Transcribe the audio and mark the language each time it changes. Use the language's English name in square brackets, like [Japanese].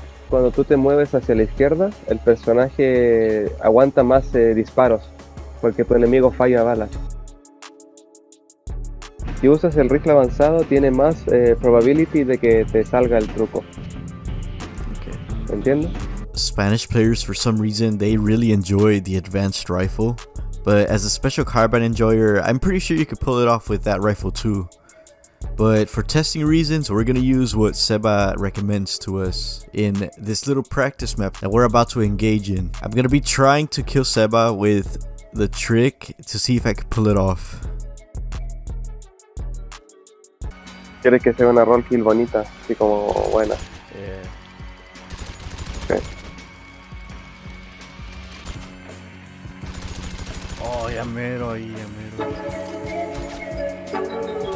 [Spanish] Cuando tú te mueves hacia la izquierda, el personaje aguanta más disparos, porque tu enemigo falla balas. Si usas el rifle avanzado, tiene más probability de que te salga el truco. [English] Okay. [Spanish] ¿Entiendes? [English] Spanish players, for some reason, they really enjoy the advanced rifle. But as a special carbine enjoyer, I'm pretty sure you could pull it off with that rifle too. But for testing reasons, we're gonna use what Seba recommends to us in this little practice map that we're about to engage in. I'm gonna be trying to kill Seba with the trick to see if I can pull it off. [Spanish] ¿Quieres que sea una roll kill bonita, así como buena? [English] Yeah. Okay. [Spanish] Oh, ya mero ahí, ya mero.